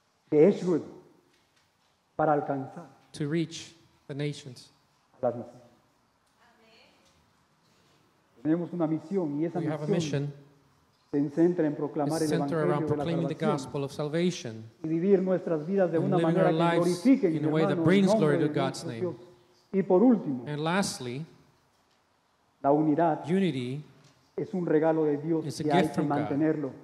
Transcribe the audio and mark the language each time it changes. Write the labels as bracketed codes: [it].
[es] de Edgewood para alcanzar [en] to reach the nations. [es] Las naciones. Tenemos una misión y esa misión se centra en proclamar el evangelio de la salvación y vivir nuestras vidas de una manera que glorifique [en] in a way that brings glory to God's name. [es] Y por último, [en] and lastly, [es] la unidad, [en] unity, [es] es un regalo de Dios y hay que mantenerlo.